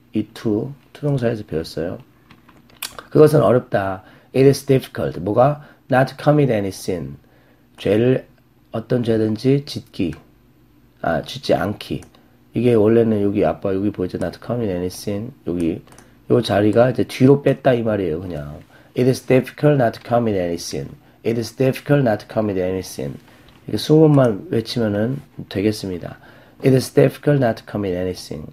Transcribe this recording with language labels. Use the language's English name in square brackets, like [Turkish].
[Korean] it too, 투동사에서 배웠어요. 그것은 어렵다, [English] it is difficult, [Korean] 뭐가? [English] not commit any sin, [Korean] 죄를 어떤 죄든지 짓기. 아, 짓지 않기. 이게 원래는 여기 아빠 여기 보이죠? [English] Not commit any sin. [Korean] 여기 요 자리가 이제 뒤로 뺐다 이 말이에요. 그냥 [English] It is difficult not to commit any sin. It is difficult not to commit any sin. [Korean] 이렇게 20번만 외치면은 되겠습니다. [English] It is difficult not to commit any sin.